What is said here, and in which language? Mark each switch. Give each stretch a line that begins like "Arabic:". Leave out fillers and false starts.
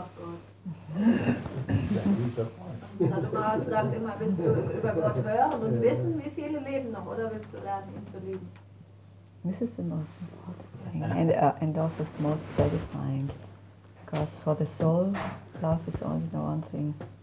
English: do you want to know God or do you want to love God?
German: Sadhguru sagt immer, willst du über Gott hören und wissen, wie viele Leben noch, oder willst du lernen, ihn zu lieben?
English: This is the most important thing, and also the most satisfying. Because for the soul, love is only the one thing.